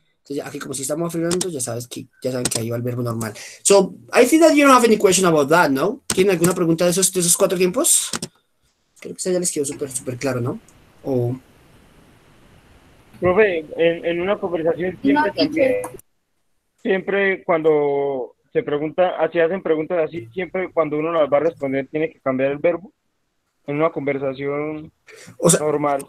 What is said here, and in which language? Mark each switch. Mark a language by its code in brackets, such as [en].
[es] Entonces, aquí como si estamos afirmando, ya saben que ahí va el verbo normal. [en] So, I think that you don't have any question about that, no? [es] ¿Tienen alguna pregunta de esos cuatro tiempos? Creo que ya les quedó súper, súper claro, ¿no? Profe, en una conversación siempre cuando se pregunta, así hacen preguntas así, siempre cuando uno las va a responder tiene que cambiar el verbo en una conversación normal.